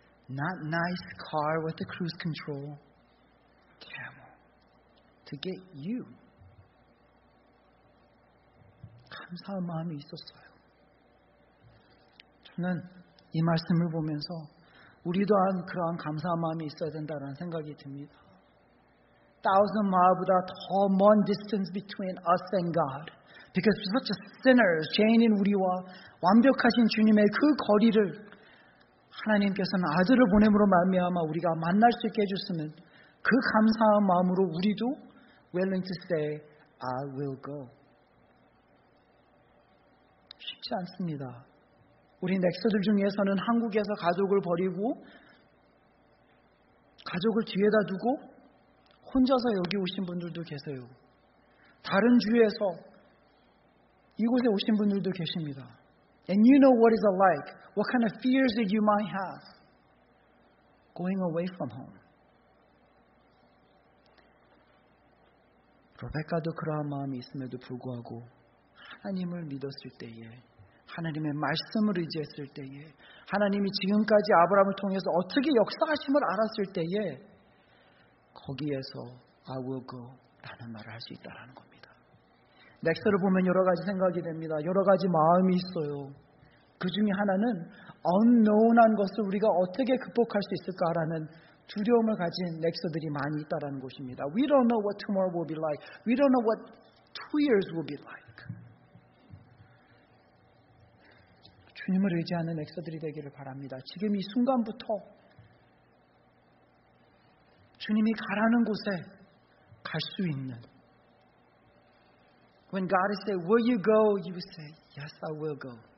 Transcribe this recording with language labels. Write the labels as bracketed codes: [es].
[en] Not nice car with the cruise control. Camel. To get you. [ko] 감사한 마음이 있었어요. 저는 이 말씀을 보면서 우리 또한 그러한 감사한 마음이 있어야 된다는 생각이 듭니다. [en] 1,000 miles [ko] 보다 더 먼 [en] distance between us and God. Because we're such a sinner, [ko] 죄인인 우리와 완벽하신 주님의 그 거리를 하나님께서는 아들을 보냄으로 말미암아 우리가 만날 수 있게 해주시면 그 감사한 마음으로 우리도 [en] willing to say, I will go. [ko] 쉽지 않습니다. 우리 넥서들 중에서는 한국에서 가족을 버리고 가족을 뒤에다 두고 혼자서 여기 오신 분들도 계세요. 다른 주에서 이곳에 오신 분들도 계십니다. [en] And you know what is it like? What kind of fears that you might have? Going away from home. [ko] 로베카도 그러한 마음이 있음에도 불구하고 하나님을 믿었을 때에 하나님의 말씀을 의지했을 때에 하나님이 지금까지 아브라함을 통해서 어떻게 역사하심을 알았을 때에 거기에서 [en] I will go [ko] 라는 말을 할 수 있다는 겁니다. 넥서를 보면 여러 가지 생각이 됩니다. 여러 가지 마음이 있어요. 그 중에 하나는 unknown한 것을 우리가 어떻게 극복할 수 있을까라는 두려움을 가진 넥서들이 많이 있다는 것입니다. [en] We don't know what tomorrow will be like. We don't know what 2 years will be like. [ko] 주님을 의지하는 넥서들이 되기를 바랍니다. 지금 이 순간부터 주님이 가라는 곳에 갈 수 있는 [en] When God is saying, "Will you go?" you will say, "Yes, I will go."